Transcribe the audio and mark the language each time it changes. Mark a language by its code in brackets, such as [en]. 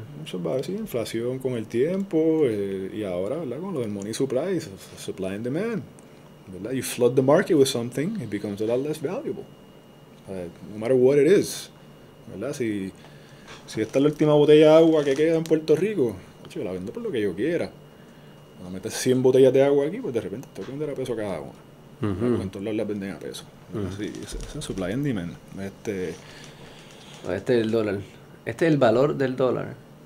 [es] Eso va a decir inflación con el tiempo, y ahora, ¿verdad? Con lo del money supply, supply and demand, ¿verdad? [en] You flood the market with something, it becomes a lot less valuable. No matter what it is, ¿verdad? [es] Si esta es la última botella de agua que queda en Puerto Rico, yo la vendo por lo que yo quiera. Cuando metes 100 botellas de agua aquí, pues de repente tengo que vender a peso cada una. Uh-huh. En todos lados las venden a peso. Uh-huh. Sí, es supply and demand. Este es el dólar. Este es el valor del dólar.